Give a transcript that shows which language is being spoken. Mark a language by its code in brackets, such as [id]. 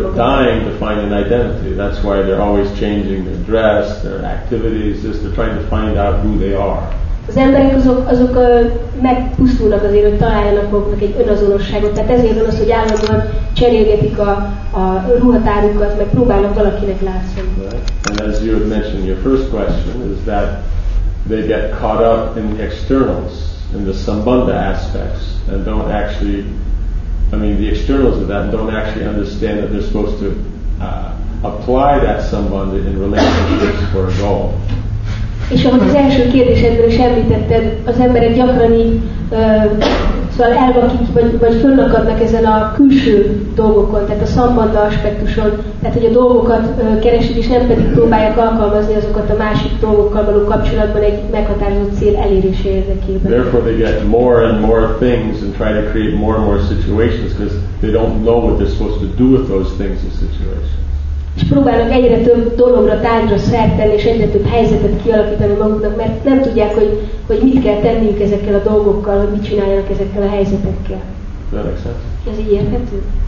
[en] People are dying to find an identity. That's why they're always changing their dress, their activities, just they're trying to find out who they are. [hu] Az emberek azok megpusztulnak azért, hogy találjanak maguknak egy önazonosságot. Tehát ezért van az, hogy állandóan cserélgetik a ruhatárukat, meg próbálnak valakinek látszani. [en] Right. And as you had mentioned, your first question is that they get caught up in the externals, in the sambandha aspects, and don't actually, I mean, the externals of that, don't actually understand that they're supposed to apply that sambandha in relationships for a goal. [hu] És ahogy az első kérdésedből is említetted, az emberek gyakran így szóval elvakik, vagy fönnakadnak ezen a külső dolgokon, tehát a szambanda aspektuson, tehát hogy a dolgokat keresik, és nem pedig próbálják alkalmazni azokat a másik dolgokkal való kapcsolatban egy meghatározott cél elérése érdekében. [en] Therefore they get more and more things and try to create more and more situations, because they don't know what they're supposed to do with those things and situations. [hu] És próbálnak egyre több dologra, tárgyra szertenni, és egyre több helyzetet kialakítani maguknak, mert nem tudják, hogy, hogy mit kell tenniük ezekkel a dolgokkal, hogy mit csináljanak ezekkel a helyzetekkel. Ez így érthető?